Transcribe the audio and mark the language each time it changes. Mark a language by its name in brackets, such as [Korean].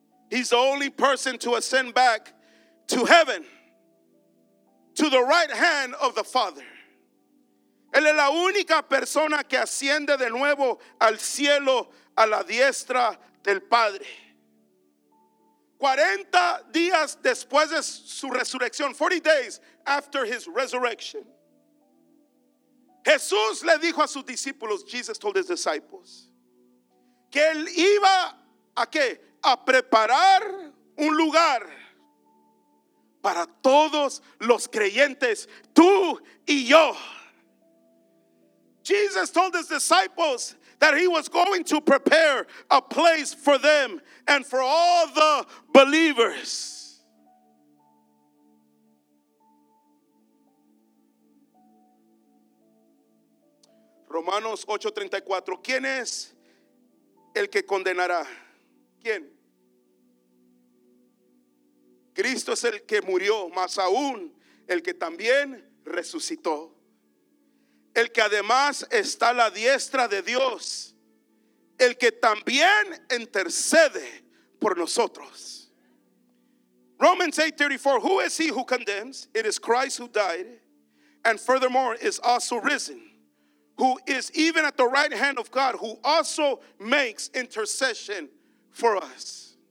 [English] He's the only person to ascend back to heaven, to the right hand of the Father. [Spanish] Él es la única persona que asciende de nuevo al cielo, a la diestra del Padre. 40 días después de su resurrección, [English] 40 days after his resurrection, [Spanish] Jesús le dijo a sus discípulos, [English] Jesus told his disciples, [Spanish] que él iba a qué? A preparar un lugar para todos los creyentes, tú y yo. [English] Jesus told his disciples that he was going to prepare a place for them and for all the believers. [Spanish] Romanos 8:34. ¿Quién es el que condenará? ¿Quién? Cristo es el que murió, más aún el que también resucitó. El que además está a la diestra de Dios, el que también intercede por nosotros. [English] Romans 8:34, who is he who condemns? It is Christ who died, and furthermore is also risen, who is even at the right hand of God, who also makes intercession for us.